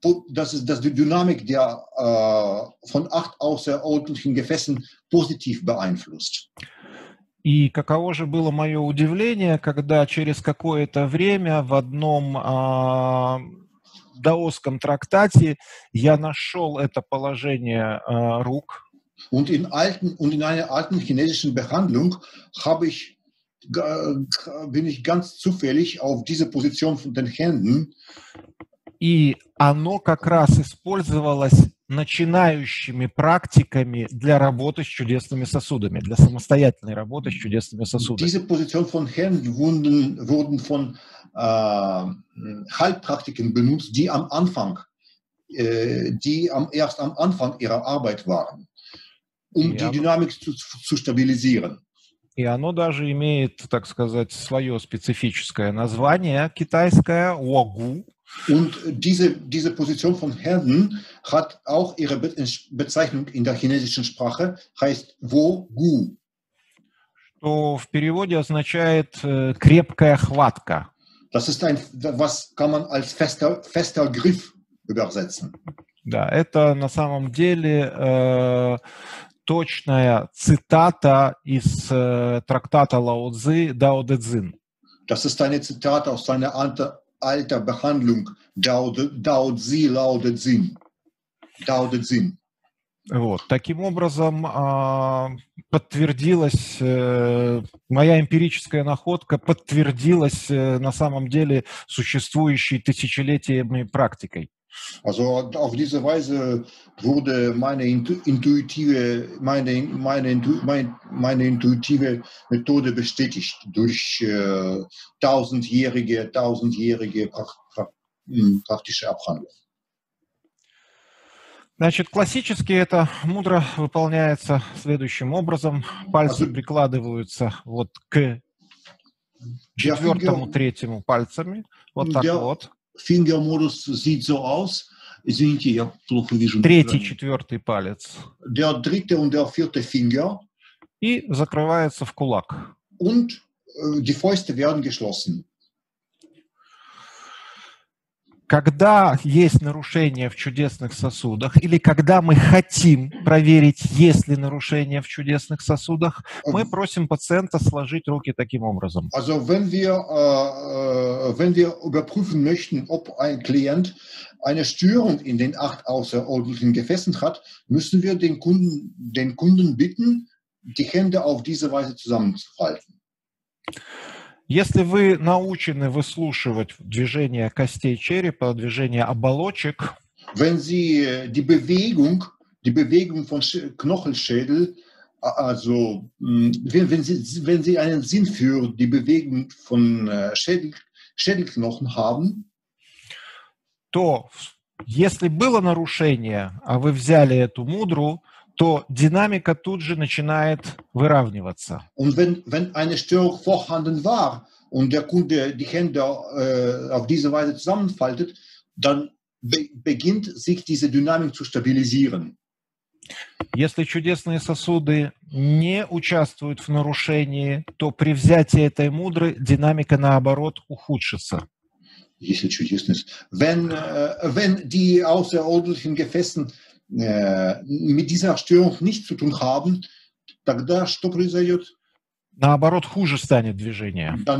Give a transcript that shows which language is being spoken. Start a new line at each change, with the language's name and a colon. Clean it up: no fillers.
German: Dass die Dynamik der von acht außerordentlichen Gefäßen positiv beeinflusst.
Russian: И каково же было мое удивление, когда через какое-то время в одном даосском трактате я нашел это положение рук.
German: Und in einer alten chinesischen Behandlung bin ich ganz zufällig auf diese Position von den Händen.
Russian: И оно как раз использовалось начинающими практиками для работы с чудесными сосудами, для самостоятельной работы с чудесными сосудами.
German: Diese Position von Händen wurden von Heilpraktiken benutzt, die erst am Anfang ihrer Arbeit waren, die Dynamik zu stabilisieren.
Russian: И оно даже имеет, так сказать, свое специфическое название китайское – уагу.
German: Und diese Position von Händen hat auch ihre Bezeichnung in der chinesischen Sprache, heißt Wo Gu.
Russian: Что в переводе означает крепкая хватка.
German: Das ist ein, was kann man als fester Griff übersetzen.
Russian: Да, это на самом деле точная цитата из трактата Лао Цзы Дао Дэ Цзин.
German: Das ist eine Zitat aus seiner alter Behandlung Dao De Zin.
Russian: Вот, таким образом подтвердилась моя эмпирическая находка, подтвердилась на самом деле существующей тысячелетиями практикой.
German: Also auf diese Weise wurde meine intuitive Methode bestätigt durch tausendjährige praktische Abhandlung.
Russian: Значит, классически это мудро выполняется следующим образом: пальцы also, прикладываются вот к четвертому, третьему пальцами, вот так вот.
German: Finger-Modus sieht so aus.
Russian: Извините, я плохо вижу. Третий, четвертый палец.
German: Der dritte und der vierte Finger.
Russian: И закрывается в кулак.
German: Und die Fäuste werden geschlossen.
Russian: Когда есть нарушение в чудесных сосудах, или когда мы хотим проверить, есть ли нарушение в чудесных сосудах, мы просим пациента сложить руки таким образом.
German: Also, wenn wir überprüfen möchten, ob ein Klient eine Störung in den acht außerordentlichen Gefäßen hat, müssen wir den Kunden bitten, die Hände auf diese Weise zusammenzufalten.
Russian: Если вы научены выслушивать движение костей черепа, движение оболочек,
German: wenn Sie die Bewegung von Knochenschädel, also wenn Sie einen Sinn für die Bewegung von Schädelknochen haben,
Russian: то если было нарушение, а вы взяли эту мудру, то динамика тут же начинает выравниваться.
German: Und wenn eine Störung vorhanden war und der Kunde die Hände auf diese Weise zusammenfaltet, dann beginnt sich diese Dynamik zu stabilisieren.
Russian: Если чудесные сосуды не участвуют в нарушении, то при взятии этой мудры динамика наоборот ухудшится. Если чудесные
German: wenn die außerordentlichen Gefäßen mit dieser Störung nichts zu tun haben,
Russian: тогда что произойдет? Наоборот, хуже станет движение.